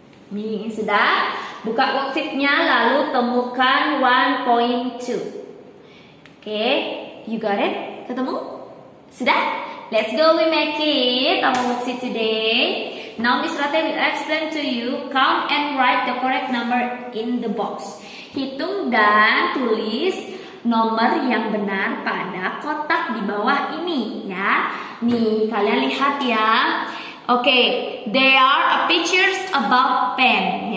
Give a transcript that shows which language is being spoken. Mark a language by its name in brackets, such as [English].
[Indonesian] Ini sudah, buka worksheet-nya lalu temukan 1.2. [English] Okay, you got it? [Indonesian] Ketemu? Sudah? [English] Let's go, we make it our worksheet today. Now Miss Rateh will explain to you, count and write the correct number in the box. [Indonesian] Hitung dan tulis nomor yang benar pada kotak di bawah ini ya. Nih, kalian lihat ya. [English] Okay, there are a pictures about pen.